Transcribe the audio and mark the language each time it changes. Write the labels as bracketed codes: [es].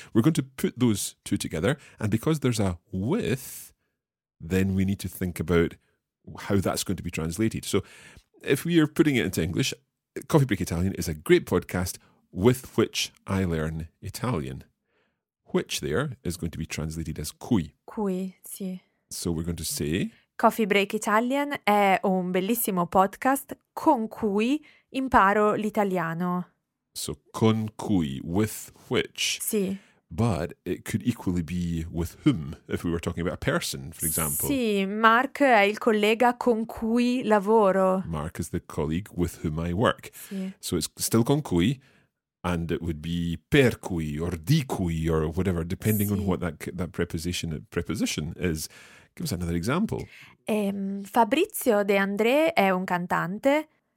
[en] We're going to put those two together, and because there's a with, then we need to think about how that's going to be translated. So if we are putting it into English, Coffee Break Italian is a great podcast with which I learn Italian. Which there is going to be translated as cui. [it] Cui, sì. [en] So we're going to say [it] Coffee Break Italian è un bellissimo podcast con cui imparo l'italiano. [en] So, con cui, with which. [it] Sì. [en] But it could equally be with whom, if we were talking about a person, for example. [it] Sì, Mark è il collega con cui lavoro. [en] Mark is the colleague with whom I work. [it] Sì. [en] So it's still con cui, and it would be per cui, or di cui, or whatever, depending on what that preposition is. Give us another example. [it] Fabrizio De André è un cantante.